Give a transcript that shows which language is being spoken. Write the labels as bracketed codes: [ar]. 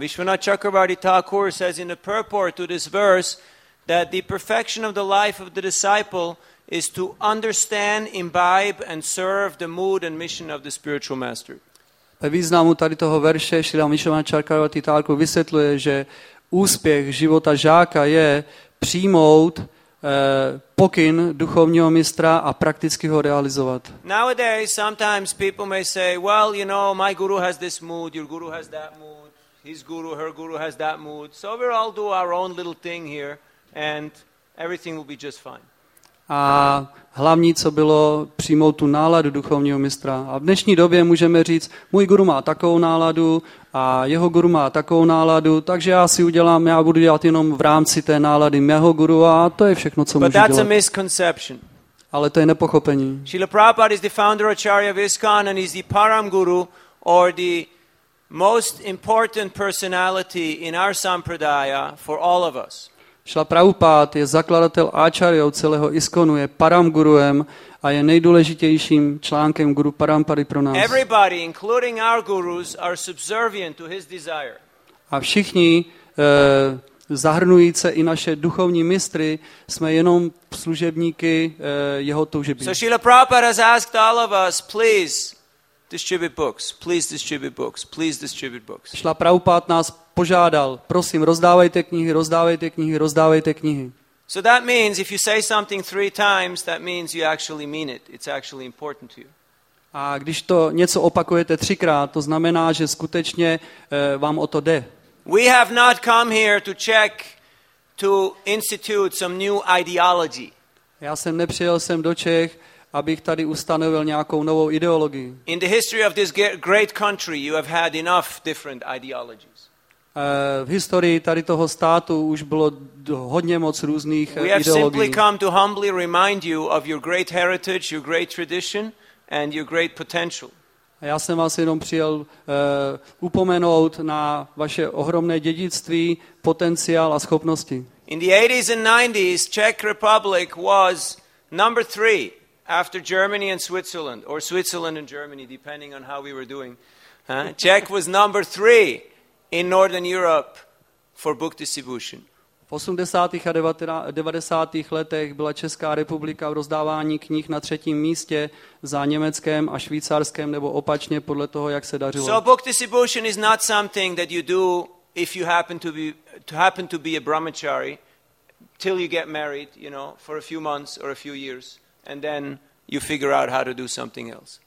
[en] Vishwanath Chakravarti Thakur says in the purport to this verse that the perfection of the life of the disciple is to understand, imbibe and serve the mood and mission of the spiritual master. [cs] Ve významu tady toho verše Šrila Vishwanatha Chakravarti Thakur vysvětluje, že úspěch života žáka je přijmout pokyn duchovního mistra a prakticky ho realizovat. [en] Nowadays sometimes people may say, well, you know, my guru has this mood, your guru has that mood, his guru, her guru has that mood. So we all do our own little thing here and everything will be just fine. [cs] A hlavní, co bylo, přijmout tu náladu duchovního mistra. A v dnešní době můžeme říct, můj guru má takovou náladu a jeho guru má takovou náladu, takže já budu dělat jenom v rámci té nálady mého guru a to je všechno, co můžu dělat. [en] A misconception. [cs] Ale to je nepochopení. [en] Srila Prabhupada is the founder acharya of ISKCON and is the param guru or the most important personality in our sampradaya for all of us. [cs] Šila Prabhupád je zakladatel áčarjou celého ISKCONu, je paramguruem a je nejdůležitějším článkem guru parampary pro nás. [en] Everybody, including our gurus, are subservient to his desire. [cs] A všichni, zahrnující i naše duchovní mistry, jsme jenom služebníky jeho toužby. [en] So Srila Prabhupada has asked all of us, please distribute books, please distribute books, please distribute books. [cs] Šila Prabhupád nás požádal, prosím, rozdávejte knihy, rozdávejte knihy, rozdávejte knihy. [en] So that means if you say something three times, that means you actually mean it. It's actually important to you. [cs] A když to něco opakujete třikrát, to znamená, že skutečně vám o to jde. [en] We have not come here to check to institute some new ideology. [cs] Já jsem nepřijel sem do Čech, abych tady ustanovil nějakou novou ideologii. [en] In the history of this great country, you have had enough different ideologies. [cs] V historii tady toho státu už bylo hodně moc různých ideologií. [en] We have simply come to humbly remind you of your great heritage, your great tradition and your great potential. [cs] Já jsem vás jenom přijel upomenout na vaše ohromné dědictví, potenciál a schopnosti. [en] In the 80s and 90s, Czech Republic was number 3 after Germany and Switzerland, or Switzerland and Germany, depending on how we were doing. Czech was number 3 in Northern Europe for book distribution. [cs] V 80. a 90. letech byla Česká republika v rozdávání knih na třetím místě za Německem a Švýcarskem, nebo opačně podle toho, jak se dařilo. [en] So book distribution is not something that you do if you happen to be a brahmachari till you get married, you know, for a few months or a few years and then you figure out how to do something else.